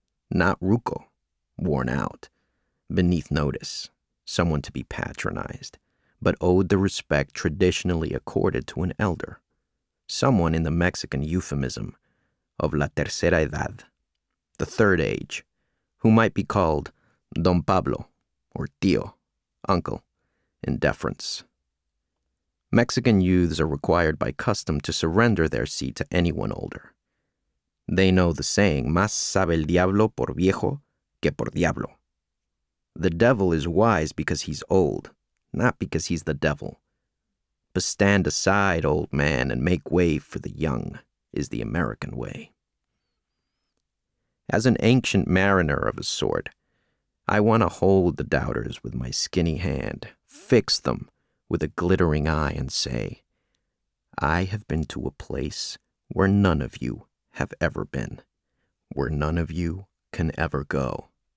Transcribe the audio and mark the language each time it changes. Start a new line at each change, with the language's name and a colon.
English: Not ruco, worn out, beneath notice, someone to be patronized, but owed the respect traditionally accorded to an elder, someone in the Mexican euphemism of
Spanish: la tercera edad,
English: the third age, who might be called Don Pablo or Tio, uncle, in deference. Mexican youths are required by custom to surrender their seat to anyone older. They know the saying,
Spanish: más sabe el diablo por viejo que por diablo.
English: The devil is wise because he's old, not because he's the devil. But stand aside, old man, and make way for the young is the American way. As an ancient mariner of a sort, I want to hold the doubters with my skinny hand, fix them with a glittering eye, and say, I have been to a place where none of you have ever been, where none of you can ever go.